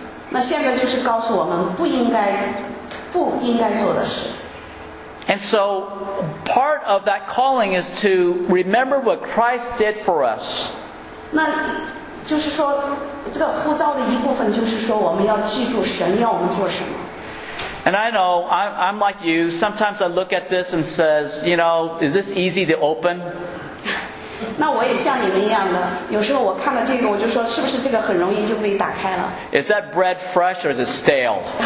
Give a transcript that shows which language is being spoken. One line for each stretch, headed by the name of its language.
Chinese: 那现在就是告诉我们不应该做的事。
English: And so, part of that calling is to remember what Christ did for us.
Chinese: 那就是说，这个呼召的一部分就是说，我们要记住神要我们做什么。
English: And I know I'm like you. Sometimes I look at this and says, you know, is this easy to open?
Chinese: 那我也像你们一样的，有时候我看到这个，我就说，是不是这个很容易就被打开了？
English: Is that bread fresh or is it stale?